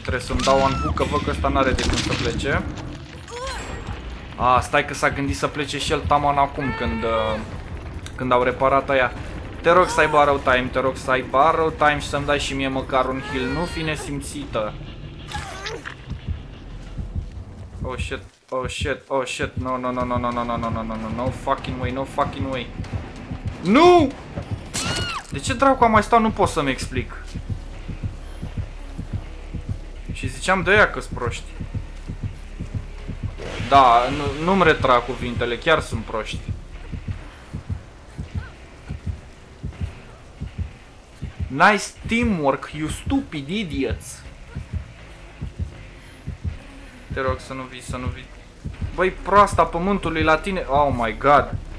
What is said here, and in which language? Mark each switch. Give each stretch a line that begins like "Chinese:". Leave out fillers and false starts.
Romanian: Trebuie să-mi dau un hook, că văd că ăsta n-are de cum să plece. Ah, stai că s-a gândit să plece și el taman acum când au reparat aia. Te rog să ai barrow time, te rog să ai barrow time și să-mi dai și mie măcar un heal, nu fi nesimțită.
English: Oh shit, no, no fucking way.
Romanian: Nu! De ce dracu am mai stat, nu pot să-mi explic. Și ziceam de aia că-s proști. Da, nu-mi retrag cuvintele, chiar sunt proști.
English: Nice teamwork, you stupid idiots.
Romanian: Te rog să nu vii, să nu vii. Băi, proasta pământului la tine.
English: Oh my god.